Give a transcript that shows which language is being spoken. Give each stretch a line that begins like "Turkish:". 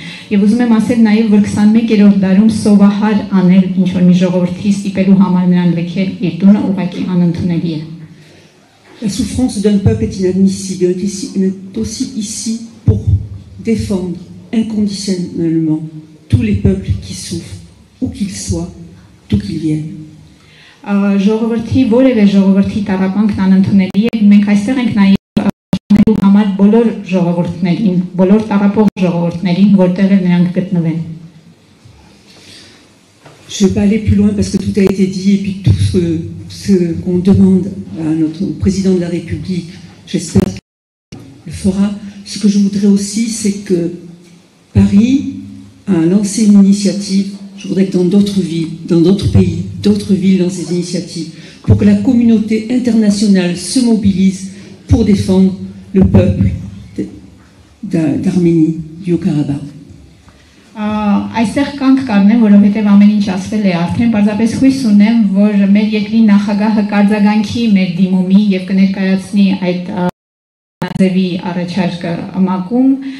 Armenian: Եվ ուզում եմ ասել նաև, որ 21-րդ դարում սովահար անել ինչ-որ մի ժողովրդի ստիպելու համար նրան լքել իր տունը ուղղակի անընդունելի է։
French: La souffrance d'un peuple est inadmissible, est aussi ici pour défendre inconditionnellement tous les peuples qui souffrent, où qu'ils soient, d'où qu'ils viennent.
Armenian: Ժողովրդի, որևէ ժողովրդի տառապանքն անընդունելի է, մենք այստեղ ենք նաև համար բոլոր ժողովրդներին, բոլոր տարապող ժողովրդներին, որտեղ են նրանք գտնվեն։
French: Je vais pas aller plus loin parce que tout a été dit et puis tout ce, ce qu'on demande à notre président de la République, j'espère qu'il le fera. Ce que je voudrais aussi, c'est que Paris a lancé une initiative. Je voudrais que dans d'autres villes, dans d'autres pays, d'autres villes lancent des initiatives pour que la communauté internationale se mobilise pour défendre le peuple d'Arménie, du Haut-Karabakh.
Armenian: Այստեղ կանգ կառնեմ, որովհետև ամեն ինչ ասվել է արդեն, պարզապես հույս ունեմ, որ մեր երկրի նախագահը կարձագանքի մեր դիմումի և կներկայացնի այդ ձևի առաջարկը մակում.